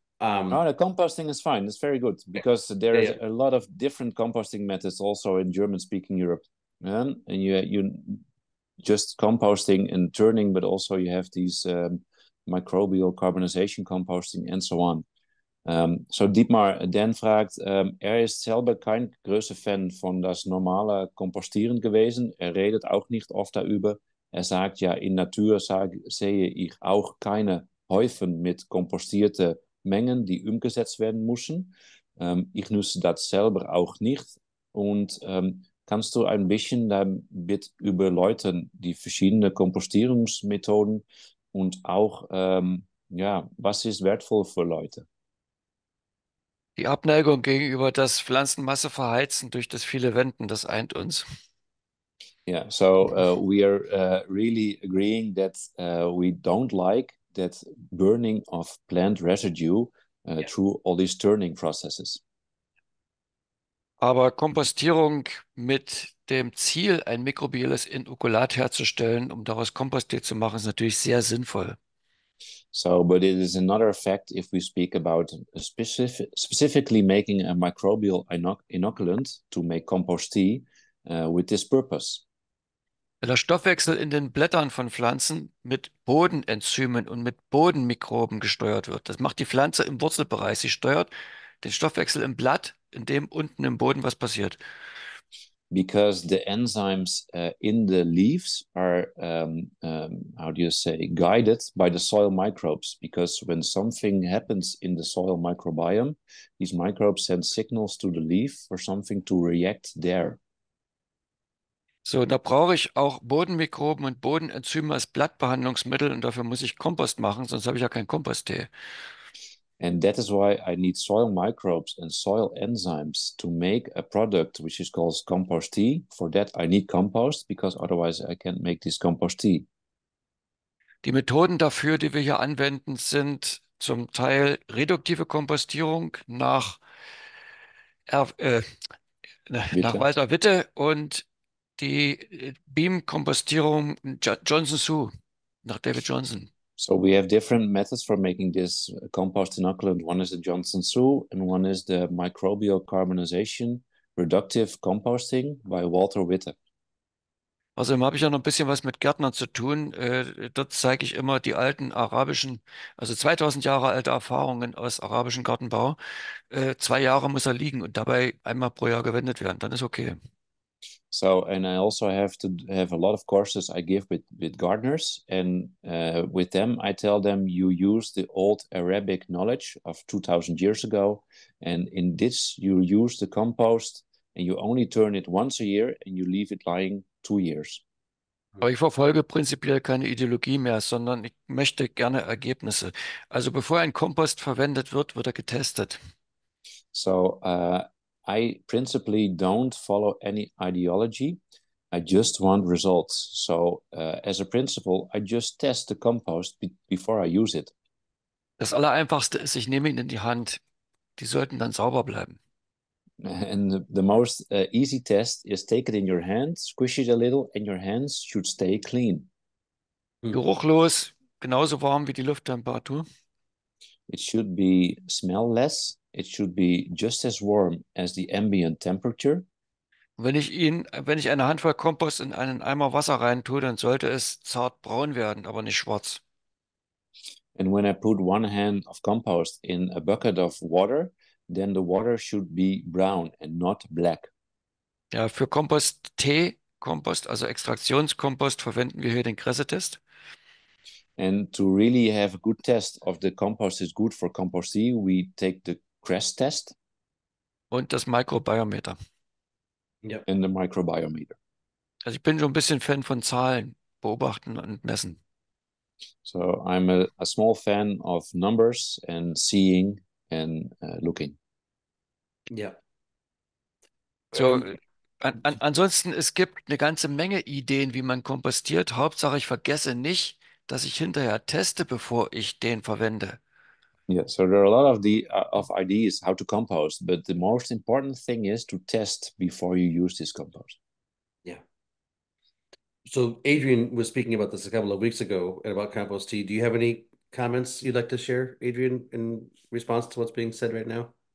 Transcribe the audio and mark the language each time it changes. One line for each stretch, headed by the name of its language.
English: No, composting is fine. It's very good because there is a lot of different composting methods also in German-speaking Europe. And you just composting and turning, but also you have these microbial carbonization composting and so on.
German: So Dietmar Dan fragt, ist selber kein großer Fan von das normale Kompostieren gewesen. Redet auch nicht oft darüber. Sagt ja, in Natur sehe ich auch keine Häufen mit kompostierten Mengen, die umgesetzt werden müssen. Ich nutze das selber auch nicht. Und kannst du ein bisschen damit überläutern, die verschiedenen Kompostierungsmethoden und auch, was ist wertvoll für Leute? Die Abneigung gegenüber das Pflanzenmasse verheizen durch das viele Wenden, das eint uns.
English: Yeah, so we are really agreeing that we don't like that burning of plant residue through all these turning processes.
German: Aber Kompostierung mit dem Ziel, ein mikrobielles Inokulat herzustellen, um daraus Kompostiert zu machen, ist natürlich sehr sinnvoll.
English: So, but it is another effect if we speak about specifically making a microbial inoculant to make compost tea with this purpose.
German: Der Stoffwechsel in den Blättern von Pflanzen mit Bodenenzymen und mit Bodenmikroben gesteuert wird. Das macht die Pflanze im Wurzelbereich. Sie steuert den Stoffwechsel im Blatt, in dem unten im Boden was passiert.
English: Because the enzymes in the leaves are, how do you say, guided by the soil microbes. Because when something happens in the soil microbiome, these microbes send signals to the leaf for something to react there.
German: So, da brauche ich auch Bodenmikroben und Bodenenzyme als Blattbehandlungsmittel und dafür muss ich Kompost machen, sonst habe ich ja keinen Komposttee.
English: And that is why I need soil microbes and soil enzymes to make a product which is called compost tea. For that I need compost, because otherwise I can't make this compost tea.
German: Die Methoden dafür, die wir hier anwenden, sind zum Teil reduktive Kompostierung nach Walter Witte und die Beam-Kompostierung Johnson-Sue, nach David Johnson.
English: So we have different methods for making this compost inoculant. One is the Johnson-Sue and one is the microbial carbonization reductive composting by Walter Witte.
German: Also habe ich ja noch ein bisschen was mit Gärtnern zu tun. Dort zeige ich immer die alten arabischen, also 2000 Jahre alte Erfahrungen aus arabischem Gartenbau. 2 Jahre muss er liegen und dabei einmal pro Jahr gewendet werden. Dann ist okay.
English: So, and I also have to have a lot of courses I give with gardeners, and with them I tell them you use the old Arabic knowledge of 2000 years ago, and in this you use the compost and you only turn it once a year and you leave it lying 2 years.
German: Aber ich verfolge prinzipiell keine Ideologie mehr, sondern ich möchte gerne Ergebnisse. Also bevor ein Kompost verwendet wird, wird er getestet.
English: So, I principally don't follow any ideology. I just want results. So as a principle, I just test the compost before I use it.
German: Das Allereinfachste ist, ich nehme ihn in die Hand. Die sollten dann sauber bleiben.
English: And the most easy test is take it in your hand, squish it a little, and your hands should stay clean.
German: Geruchlos, genauso warm wie die Lufttemperatur.
English: It should be smellless. It should be just as warm as the ambient temperature.
German: Wenn ich eine Handvoll Kompost in einen Eimer Wasser reintue, dann sollte es zart braun werden, aber nicht schwarz.
English: And when I put one hand of compost in a bucket of water, then the water should be brown and not black.
German: Ja, für Kompost-Tee, Kompost, also Extraktionskompost, verwenden wir hier den Kresse-Test.
English: And to really have a good test of the compost is good for compost tea, we take the Kresse test.
German: Und das Mikrobiometer.
English: Yep. And the microbiometer.
German: Also ich bin schon ein bisschen Fan von Zahlen, beobachten und messen.
English: So I'm a small fan of numbers and seeing and looking. Yeah.
German: So ansonsten, es gibt eine ganze Menge Ideen, wie man kompostiert. Hauptsache, ich vergesse nicht, dass ich hinterher teste, bevor ich den verwende.
English: Yeah, so there are a lot of the of ideas how to compost, but the most important thing is to test before you use this compost. Yeah. So Adrian was speaking about this a couple of weeks ago and about compost tea. Do you have any comments you'd like to share, Adrian, in response to what's being said right now?